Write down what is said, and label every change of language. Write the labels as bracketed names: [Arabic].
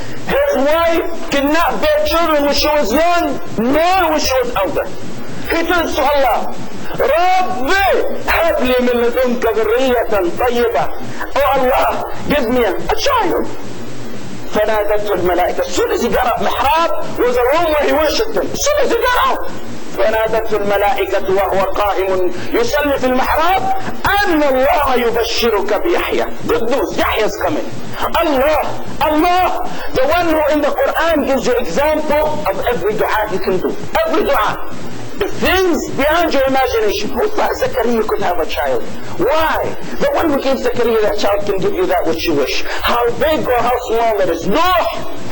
[English] His wife cannot bear children when she was young, nor when she was older. He turns to Allah, [Arabic] Rabbi Habli min ladunka dhurriyatan tayyiba. [English] Oh Allah, give me a child. [Arabic] فنادته الملائكة. [English] As soon as he got up, mihrab was a room where he worshipped him. As soon as he got up, [Arabic] فنادته الملائكة وهو قائم يصلي في المحراب أن الله يبشرك بيحيى. [English] Good news, يحيى is coming. Allah, Allah, the one who in the Quran gives you example of every dua he can do. Every dua. The things beyond your imagination. Who thought Zakaria could have a child? Why? The one who gave Zakaria that child can give you that which you wish. How big or how small it is. Noah!